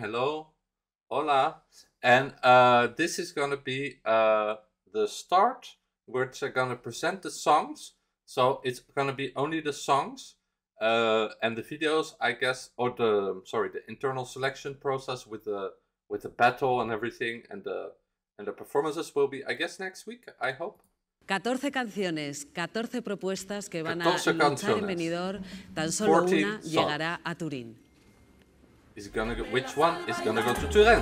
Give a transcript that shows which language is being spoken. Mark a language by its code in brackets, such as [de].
[en] Hello, [es] hola. [en] And this is gonna be the start, which are gonna present the songs. So it's gonna be only the songs and the videos, I guess, or the internal selection process with the battle and everything, and the performances will be, I guess, next week, I hope. [es] 14 canciones, 14 propuestas que van a luchar en Benidorm. Tan solo una songs. Llegará a Turín. [en] Is gonna go, which one is gonna go to Turin?